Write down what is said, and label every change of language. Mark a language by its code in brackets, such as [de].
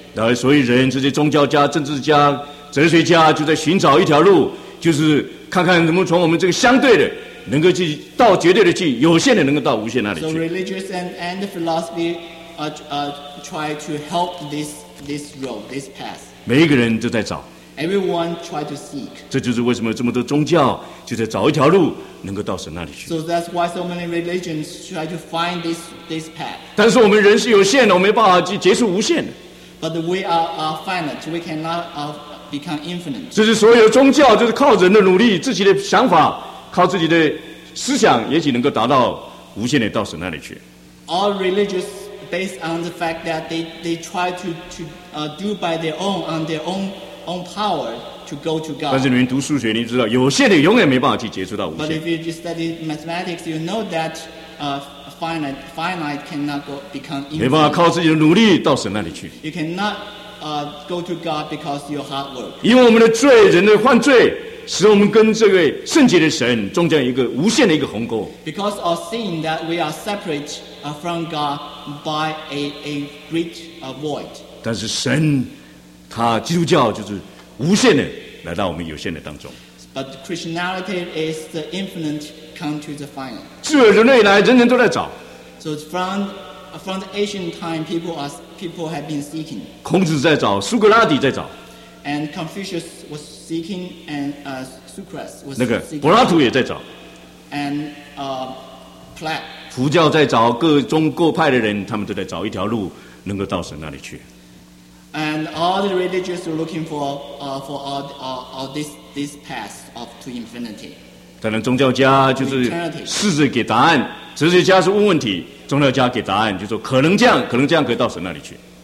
[zh] 然后，所以人这些宗教家、政治家、哲学家就在寻找一条路，就是看看能不能从我们这个相对的。能够去到绝对的去，有限的能够到无限那里去。 [en] So religious and philosophy try to help this road, this path. [zh] 每一个人都在找。 [en] Everyone try to seek. [zh] 这就是为什么这么多宗教就在找一条路能够到神那里去。 [en] So that's why so many religions try to find this path. [zh] 但是我们人是有限的，我们没办法结束无限的。 [en] But we are finite. We cannot become infinite. [zh] 这是所有宗教就是靠人的努力、自己的想法、靠自己的思想，也许能够达到无限的到神那里去。 [en] All religious based on the fact that they try to do by their own on their own power to go to God. [zh] 但是你们读数学，你知道有限的永远没办法去接触到无限。 [en] But if you just study mathematics, you know that finite cannot become infinite. [zh] 没办法靠自己的努力到神那里去。 [en] You cannot go to God because of your hard work. [zh] 因为我们的罪，人的犯罪，使我们跟这位圣洁的神中间一个无限的一个鸿沟。 [en] Because of sin that we are separate from God by a great void. [zh] 但是神他基督教就是无限的来到我们有限的当中。 [en] But Christianity is the infinite come to the finite. [zh] 自人类来人人都在找。 [en] So from the ancient time, people have been seeking. [zh] 孔子在找，苏格拉底在找。 [en] And Confucius was seeking, and Socrates was seeking. [zh] 那个柏拉图也在找。 [en] And Plat. [zh] 佛教在找，各宗各派的人，他们都在找一条路，能够到神那里去。 [en] And all the religious are looking for all this path of to infinity. [zh] 当然，宗教家就是试着给答案；哲学家是问问题；宗教家给答案，就说可能这样，可能这样可以到神那里去。